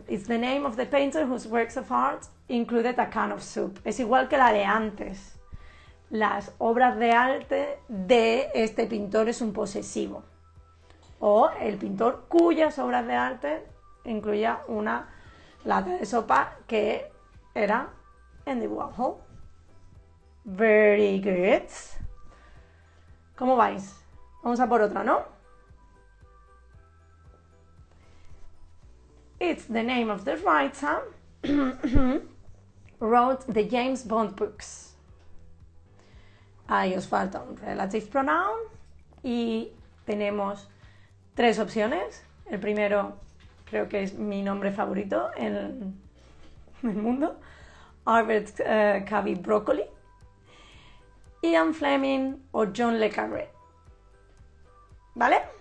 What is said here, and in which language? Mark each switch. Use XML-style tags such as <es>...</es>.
<en>It's the name of the painter whose works of art included a can of soup.</en> <es>Es igual que la de antes. Las obras de arte de este pintor es un posesivo. O el pintor cuyas obras de arte incluía una lata de sopa que era... Andy Warhol.</es> <en>Very good.</en> <es>¿Cómo vais? Vamos a por otra, ¿no?</es> <en>It's the name of the writer wrote the James Bond books.</en> <es>Ahí os falta un relative pronoun y tenemos tres opciones. El primero creo que es mi nombre favorito en el mundo. Albert Cavi Broccoli, Ian Fleming o John Le Carré, ¿vale?</es>